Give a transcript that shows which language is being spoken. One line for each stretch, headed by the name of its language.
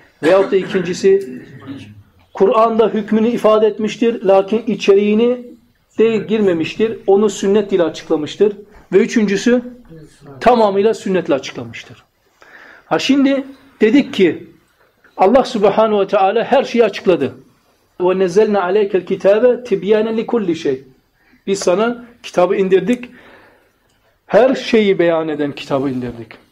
Turkish: Veyahut da ikincisi, Kur'an'da hükmünü ifade etmiştir. Lakin içeriğini de girmemiştir. Onu sünnet ile açıklamıştır. Ve üçüncüsü, tamamıyla sünnetle açıklamıştır. Ha şimdi dedik ki, Allah Subhanahu ve Teala her şeyi açıkladı.
Arabic: وَنَزَّلْنَا عَلَيْكَ الْكِتَابَ تِبْيَانًا لِكُلِّ شَيْءٍ
Turkish: Biz sana kitabı indirdik. Her şeyi beyan eden kitabı indirdik.